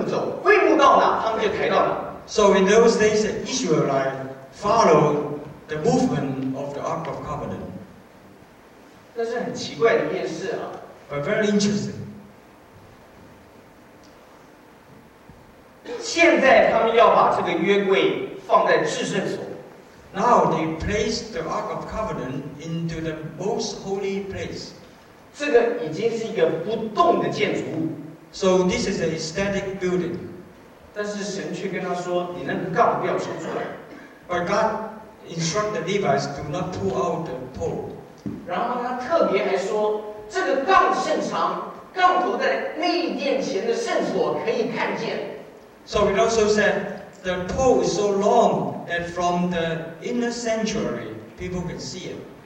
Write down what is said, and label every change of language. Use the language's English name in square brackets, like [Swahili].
[Chinese] 那以前以色列人他是跟着会幕走，会幕到哪他们就抬到哪。 [English] So in those days, the Israelites followed the movement of the Ark of Covenant. [Chinese] 那是很奇怪的一件事啊。 [English] But very interesting. [Chinese] 现在他们要把这个约柜放在至圣所。 [English] Now they place the Ark of Covenant into the most holy place. [Chinese] 这个已经是一个不动的建筑物。 [English] So this is a static building. [Chinese] 但是神却跟他说，你那个杠不要抽出来。 [English] But God instructed the Levites to not pull out the pole. [Chinese] 然后他特别还说，这个杠甚长，杠头在内殿前的圣所可以看见。 [English] So it also said, the pole is so long that from the inner sanctuary, people can see it.